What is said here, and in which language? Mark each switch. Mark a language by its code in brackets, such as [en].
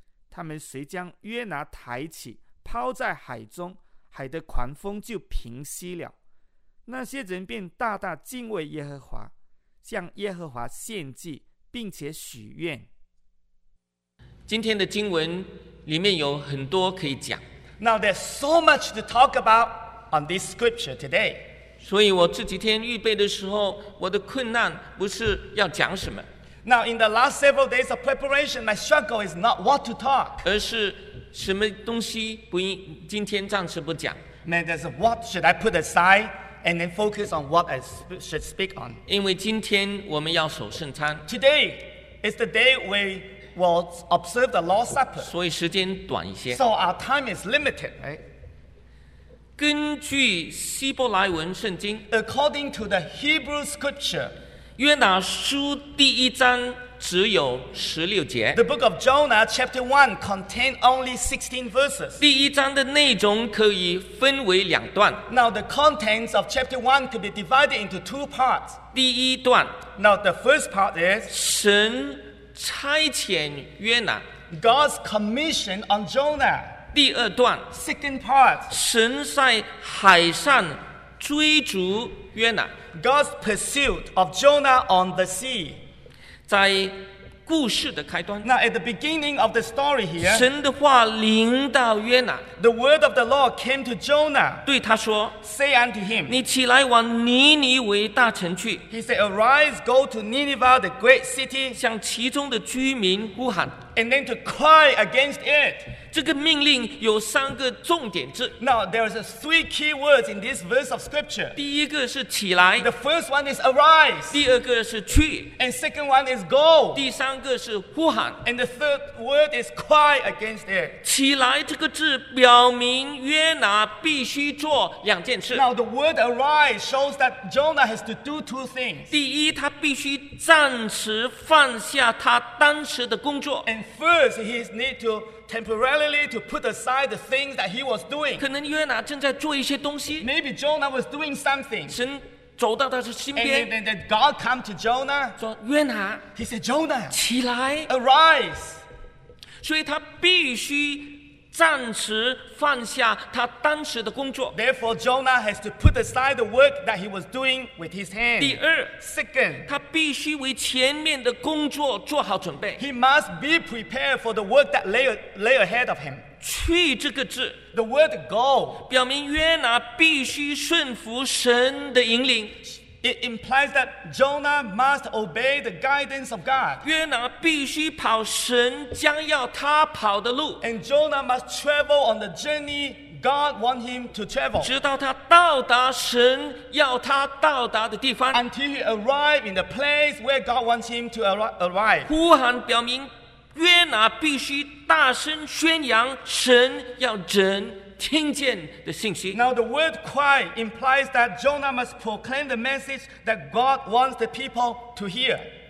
[zh] 他们遂将约拿抬起抛在海中，海的狂风就平息了。那些人便大大敬畏耶和华，向耶和华献祭并且许愿。今天的经文里面有很多可以讲。 [en] Now there's so much to talk about on this scripture today. [zh] 所以我这几天预备的时候，我的困难不是要讲什么。 [en] Now in the last several days of preparation, my struggle is not what to talk. [zh] 而是什么东西不应今天暂时不讲。 [en] Now there's what should I put aside and then focus on what I should speak on. [zh] 因为今天我们要守圣餐。 [en] Today is the day we... Well, observe the Lord's Supper. [zh] 所以时间短一些。 [en] So our time is limited. [zh] 根据希伯来文圣经 [en] ，According to the Hebrew Scripture, [zh] 约拿书第一章只有十六节。 [en] The book of Jonah, chapter 1, contains only 16 verses. [zh] 第一章的内容可以分为两段。 [en] Now the contents of chapter 1 could be divided into two parts. [zh] 第一段。 [en] Now the first part is [zh] 神。差遣约拿 [en] God's commission on Jonah. [zh] 第二段 [en] Second part. [zh] 神在海上追逐约拿 [en] God's pursuit of Jonah on the sea. [zh] 在故事的开端 [en] Now at the beginning of the story here. [zh] 神的话临到约拿 [en] The word of the Lord came to Jonah. [zh] 对他说 [en] Say unto him. [zh] 你起来往尼尼微大城去 [en] He said arise go to Nineveh the great city. [zh] 向其中的居民呼喊 [en] And then to cry against it. [zh] 这个命令有三个重点字 [en] Now there are three key words in this verse of scripture. [zh] 第一个是起来 [en] The first one is arise. [zh] 第二个是去 [en] And second one is go. [zh] 第三三个是呼喊 [en] and the third word is cry against it. [zh] 起来这个字表明约拿必须做两件事 [en] Now the word arise shows that Jonah has to do two things. [zh] 第一他必须暂时放下他当时的工作 [en] And first he needs to temporarily to put aside the things that he was doing. [zh] 可能约拿正在做一些东西 [en] Maybe Jonah was doing something. [zh] 神走到他的身边 [en] and then God come to Jonah [zh] 说约拿 [en] He said Jonah [zh] 起来 [en] Arise [zh] 所以他必须暂时放下他当时的工作 [en] Therefore Jonah has to put aside the work that he was doing with his hand [zh] 第二 [en] Second [zh] 他必须为前面的工作做好准备 [en] He must be prepared for the work that lay ahead of him [zh] 去这个字 [en] The word go [zh] 表明约拿必须顺服神的引领 [en] It implies that Jonah must obey the guidance of God [zh] 约拿必须跑神将要他跑的路 [en] And Jonah must travel on the journey God wants him to travel [zh] 直到他到达神要他到达的地方 [en] Until he arrives in the place where God wants him to arrive [zh] 呼喊表明约拿必须大声宣扬神要人听见的信息。 [en] Now the word cry implies that Jonah must proclaim the message that God wants the people to hear.